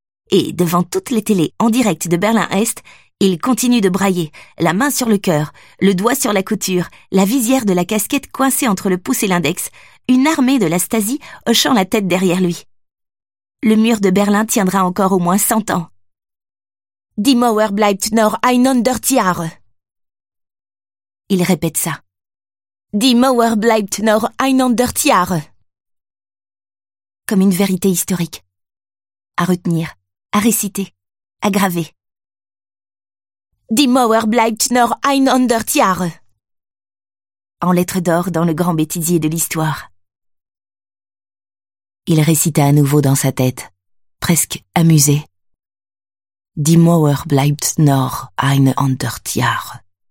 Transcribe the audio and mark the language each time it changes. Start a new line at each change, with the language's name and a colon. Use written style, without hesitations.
French: Et devant toutes les télés en direct de Berlin-Est, il continue de brailler, la main sur le cœur, le doigt sur la couture, la visière de la casquette coincée entre le pouce et l'index, une armée de la Stasi hochant la tête derrière lui. Le mur de Berlin tiendra encore au moins 100 ans.
German: « Die Mauer bleibt noch 100 Jahre !»
French: Il répète ça.
German: Die Mauer bleibt noch 100 Jahre.
French: Comme une vérité historique. À retenir, à réciter, à graver.
German: Die Mauer bleibt noch 100 Jahre.
French: En lettres d'or dans le grand bêtisier de l'histoire. Il récita à nouveau dans sa tête, presque amusé.
German: Die Mauer bleibt noch eine Hundert Jahre.